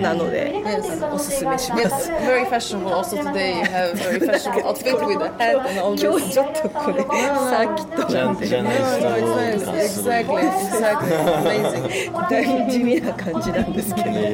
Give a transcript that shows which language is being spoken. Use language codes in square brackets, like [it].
[ja] なのでおすすめします。 [en] Yes. Very fashionable. Also today you have very fashionable outfit with a hat and all this. [ja] 今日ちょっとこれサーキットなんで。 [en] Exactly. Amazing. [ja] だいぶ地味な感じなんですけど。